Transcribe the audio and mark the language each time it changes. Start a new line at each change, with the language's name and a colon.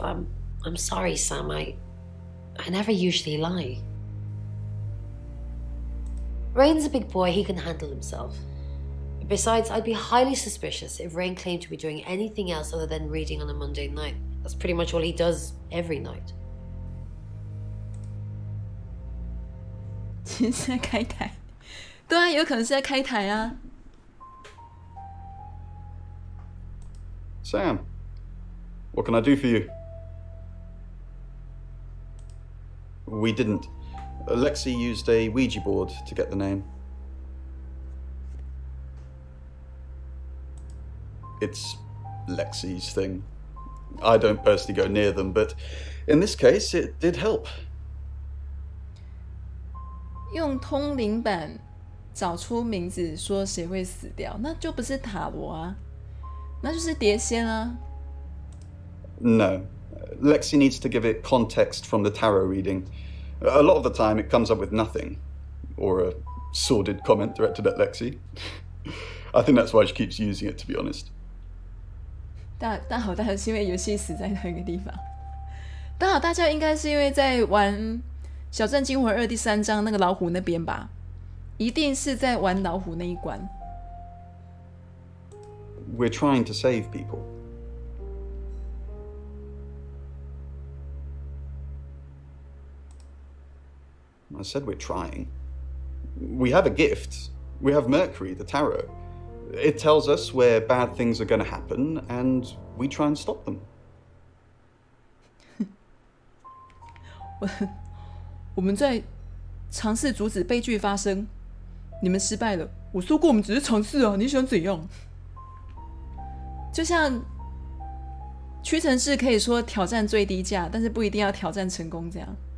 English: I'm sorry, Sam. I never usually lie. Rain's a big boy. He can handle himself. Besides, I'd be highly suspicious if Rain claimed to be doing anything else other than reading on a Monday night. That's pretty much all he does every night.
Chinese: 其实在开台，对啊，有可能是在开台啊。
English: Sam, what can I do for you? We didn't. Lexi used a Ouija board to get the name. It's Lexi's thing. I don't personally go near them, but in this case, it did help.
Chinese: 用通灵板找出名字，说谁会死掉，那就不是塔罗啊。那就是碟仙啊。
English: No, Lexi needs to give it context from the tarot reading. A lot of the time, it comes up with nothing, or a sordid comment directed at Lexi. I think that's why she keeps using it. To be honest.
Chinese: 大吼大叫是因为游戏死在那个地方。大吼大叫应该是因为在玩《小镇惊魂二》第三章那个老虎那边吧？一定是在玩老虎那一关。
English: We're trying to save people. I said we're trying. We have a gift. We have Mercury, the tarot. It tells us where bad things are going to happen, and we try and stop them.
Chinese: 我们在尝试阻止悲剧发生。你们失败了。我说过，我们只是尝试啊。你想怎样？就像屈臣氏可以说挑战最低价，但是不一定要挑战成功这样。